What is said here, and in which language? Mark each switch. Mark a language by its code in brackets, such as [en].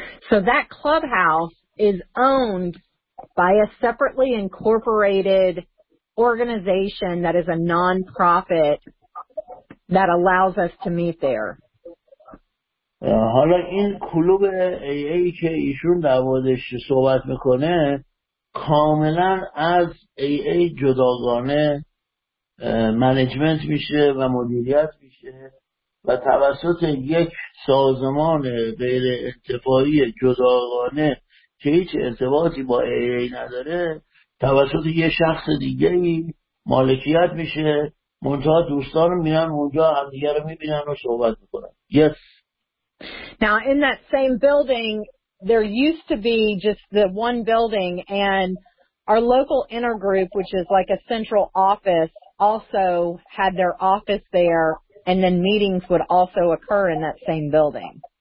[en] So that clubhouse is owned by a separately incorporated organization that is a non-profit that allows us to meet there. [fa] حالا این کلوب AA که ایشون در موردش صحبت میکنه کاملا از AA جداگانه منیجمنت میشه و مدیریت میشه و توسط یک سازمان غیر انتفاعی جداگانه که هیچ ارتباطی با ایرانی نداره توسط یه شخص دیگه مالکیت میشه، منتها دوستان میرن اونجا هم دیگه رو میبینن و صحبت میکنن. [en] Yes. Now in that same building there used to be just the one building and our local intergroup, which is like a central office, also had their office there and then meetings would also occur in that same building.